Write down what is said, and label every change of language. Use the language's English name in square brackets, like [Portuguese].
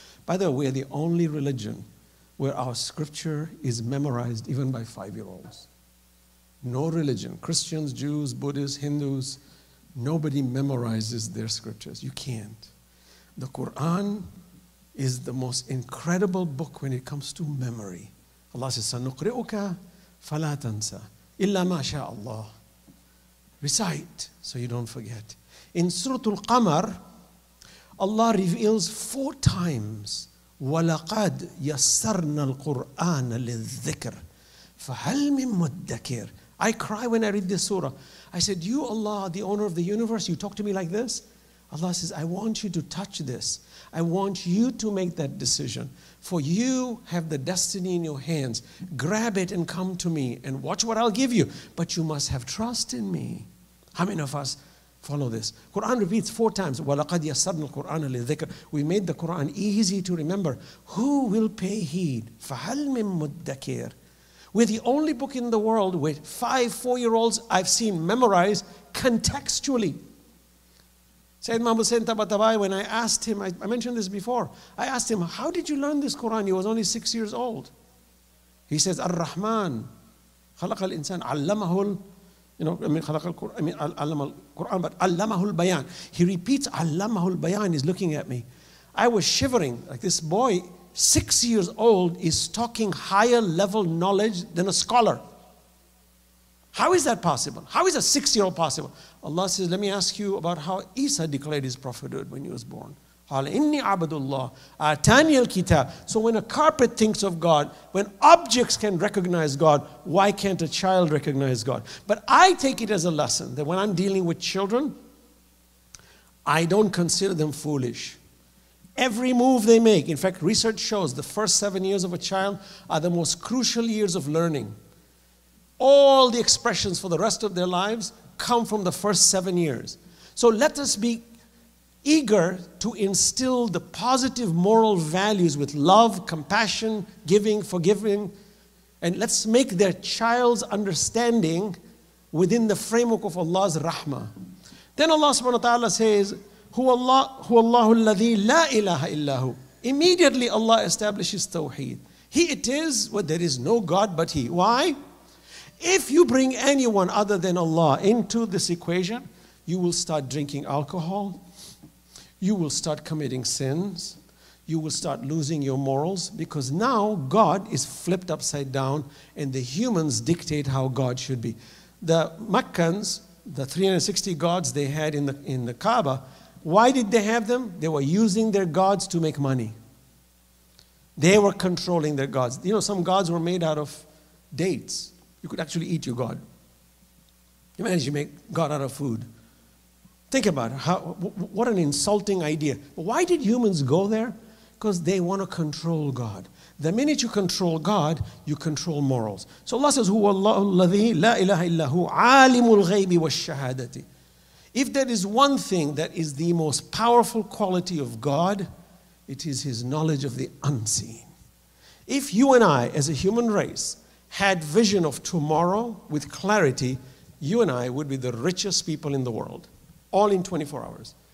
[English] By the way, we are the only religion where our scripture is memorized even by five-year-olds. No religion, Christians, Jews, Buddhists, Hindus, nobody memorizes their scriptures. You can't. The Quran is the most incredible book when it comes to memory. Allah says, [Arabic] سَنُقْرِئُكَ فَلَا تَنْسَى إِلَّا مَا شَاءَ اللَّهِ. [English] Recite so you don't forget. In Surah Al-Qamar, Allah reveals four times, [Arabic] وَلَقَدْ يَسَّرْنَا الْقُرْآنَ لِلذِّكْرِ فَهَلْ مِن مُدَّكِرِ. [English] I cry when I read this surah. I said, you Allah, the owner of the universe, you talk to me like this? Allah says, I want you to touch this. I want you to make that decision. For you have the destiny in your hands. Grab it and come to me and watch what I'll give you. But you must have trust in me. How many of us follow this? Quran repeats four times, [Arabic] وَلَقَدْ يَسَّرْنَا الْقُرْآنَ لِلذِّكْرِ. [English] We made the Quran easy to remember. Who will pay heed? [Arabic] فَهَلْ مِن مُدَّكِرِ. [English] We're the only book in the world where 5-4-year-olds I've seen memorize contextually. Sayyid Mahmud Hussain Tabatabai, when I asked him, I mentioned this before, I asked him, how did you learn this Quran? He was only 6 years old. He says, [Arabic] Ar-Rahman, خَلَقَ الْإِنسَانَ عَلَّمَهُ عَلَّمَ الْقُرْآنَ [English] but [Arabic] عَلَّمَهُ الْبَيَانَ. [English] He repeats, [Arabic] عَلَّمَهُ الْبَيَانَ, [English] he's looking at me. I was shivering, like this boy, 6 years old, is talking higher level knowledge than a scholar. How is that possible? How is a 6 year old possible? Allah says, let me ask you about how Isa declared his prophethood when he was born. [Arabic] Inni abdullah atani al-kitab. [English] So when a carpet thinks of God, when objects can recognize God, why can't a child recognize God? But I take it as a lesson that when I'm dealing with children, I don't consider them foolish. Every move they make, in fact, research shows the first 7 years of a child are the most crucial years of learning. All the expressions for the rest of their lives come from the first 7 years. So let us be eager to instill the positive moral values with love, compassion, giving, forgiving, and let's make their child's understanding within the framework of Allah's rahmah. Then Allah subhanahu wa ta'ala says, [Arabic] هو الله الذي لا إله إلا هو. [English] Immediately Allah establishes Tawheed. He it is where there is no God but He. Why? If you bring anyone other than Allah into this equation, you will start drinking alcohol, you will start committing sins, you will start losing your morals, because now God is flipped upside down and the humans dictate how God should be. The Meccans, the 360 gods they had in the Kaaba, why did they have them? They were using their gods to make money. They were controlling their gods. You know, some gods were made out of dates. You could actually eat your god. Imagine you make God out of food. Think about it. What an insulting idea. But why did humans go there? Because they want to control God. The minute you control God, you control morals. So Allah says, [Arabic] هُوَ اللَّهُ الَّذِي لَا إِلَهَ إِلَّهُ عَالِمُ الْغَيْبِ وَالشَّهَادَةِ. [English] If there is one thing that is the most powerful quality of God, it is His knowledge of the unseen. If you and I, as a human race, had vision of tomorrow with clarity, you and I would be the richest people in the world, all in 24 hours.